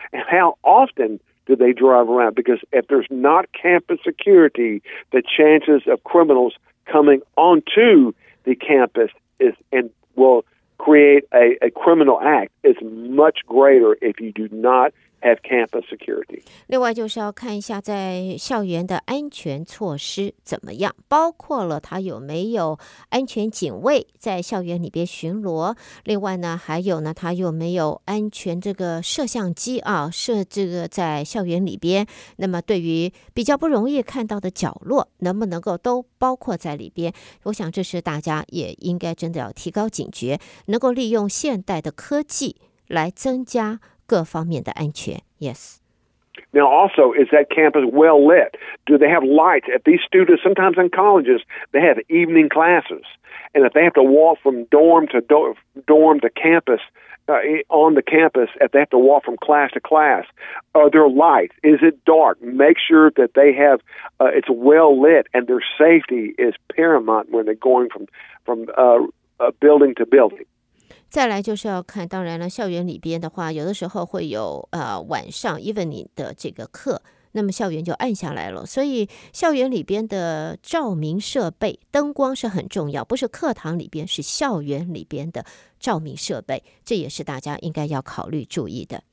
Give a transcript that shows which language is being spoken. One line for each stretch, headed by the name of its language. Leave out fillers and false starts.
English: And how often do they drive around? Because if there's not campus security, the chances of criminals coming onto the campus is and will create a criminal act is much greater if you do not have campus security.
Chinese: 另外就是要看一下在校园的安全措施怎么样，包括了他有没有安全警卫在校园里边巡逻，另外呢还有呢他有没有安全这个摄像机啊，设这个在校园里边，那么对于比较不容易看到的角落能不能够都包括在里边，我想这是大家也应该真的要提高警觉，能够利用现代的科技来增加各方面的安全。
English: Yes. Now also, is that campus well lit? Do they have lights? If these students, sometimes in colleges, they have evening classes. And if they have to walk from dorm to dorm to campus, on the campus, if they have to walk from class to class, are there lights? Is it dark? Make sure that they have, it's well lit, and their safety is paramount when they're going from building to building.
Chinese: 再来就是要看，当然了，校园里边的话，有的时候会有晚上 evening 的这个课，那么校园就暗下来了，所以校园里边的照明设备灯光是很重要，不是课堂里边，是校园里边的照明设备，这也是大家应该要考虑注意的。